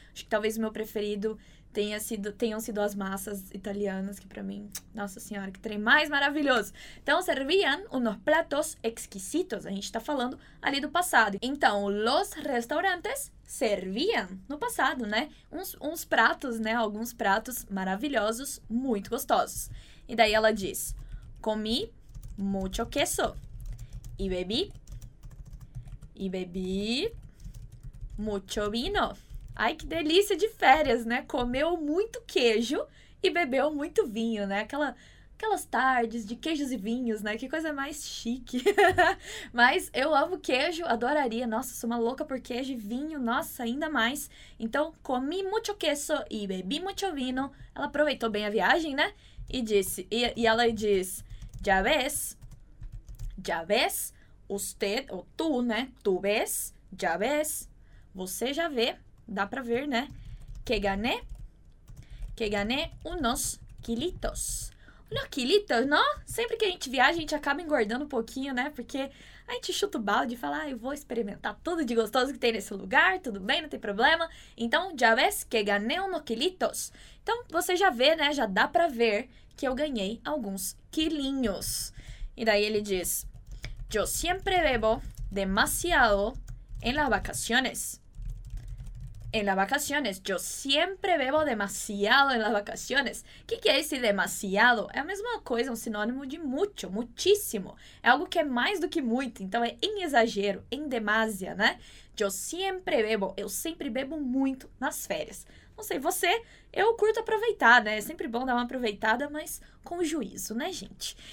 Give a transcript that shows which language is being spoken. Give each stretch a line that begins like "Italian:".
Portuguese: Acho que talvez o meu preferido tenham sido as massas italianas, que pra mim, nossa senhora, que trem mais maravilhoso. Então,
Spanish: servían unos platos exquisitos.
Portuguese: A gente tá falando ali do passado. Então,
Spanish: los restaurantes servían,
Portuguese: no passado, né? Uns pratos, né? Alguns pratos maravilhosos, muito gostosos. E daí ela diz,
Spanish: comí mucho queso y bebí mucho vino.
Portuguese: Ai, que delícia de férias, né? Comeu muito queijo e bebeu muito vinho, né? Aquelas tardes de queijos e vinhos, né? Que coisa mais chique. Mas eu amo queijo, adoraria. Nossa, sou uma louca por queijo e vinho. Nossa, ainda mais.
Spanish: Então, comi mucho queso y bebí mucho vino.
Portuguese: Ela aproveitou bem a viagem, né? E disse, e ela diz,
Spanish: Já ves, usted,
Portuguese: ou tu, né?
Spanish: Tu ves, já ves,
Portuguese: você já vê. Dá pra ver, né?
Spanish: Que gané unos quilitos. Unos quilitos, não?
Portuguese: Sempre que a gente viaja, a gente acaba engordando um pouquinho, né? Porque a gente chuta o balde e fala, ah, eu vou experimentar tudo de gostoso que tem nesse lugar, tudo bem, não tem problema. Então,
Spanish: já ves que gané unos quilitos.
Portuguese: Então, você já vê, né? Já dá pra ver que eu ganhei alguns quilinhos. E daí ele diz,
Spanish: yo siempre bebo demasiado en las vacaciones. En las vacaciones, yo siempre bebo demasiado en las vacaciones.
Portuguese: Que é esse demasiado? É a mesma coisa, um sinônimo de mucho, muchísimo. É algo que é mais do que muito, então é em exagero, em demasia, né?
Spanish: Yo siempre bebo,
Portuguese: eu sempre bebo muito nas férias. Não sei você, eu curto aproveitar, né? É sempre bom dar uma aproveitada, mas com juízo, né, gente?